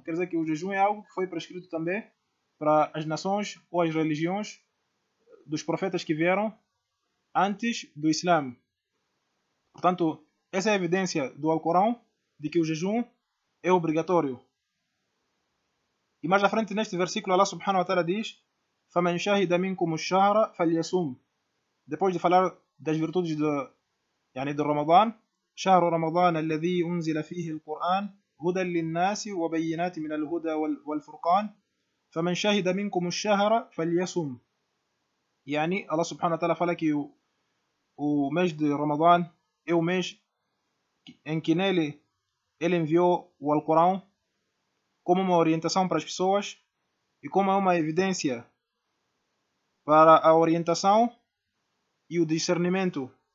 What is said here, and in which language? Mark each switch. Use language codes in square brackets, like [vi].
[pt] Quer dizer que o jejum é algo que foi prescrito também para as nações ou as religiões dos profetas que vieram antes do Islã. Portanto, essa é a evidência do Alcorão de que o jejum é obrigatório. E mais à frente, neste versículo, Allah subhanahu wa ta'ala diz: [ar] فَمَنْ شَهِدَ مِنْكُمُ الشَّهْرَ فَلْيَسُمْ. [pt] Depois de falar das virtudes do Ramadan: [ar] شهر رمضان الذي أنزل فيه القرآن هدى للناس وبينات من الهدى والفرقان فمن شهد منكم الشهر فليصم. الله سبحانه وتعالى [pt] fala que o mês de Ramadan é o mês em que nele ele enviou o Alcorão como uma orientação para as pessoas e como uma evidência para a orientação e o discernimento.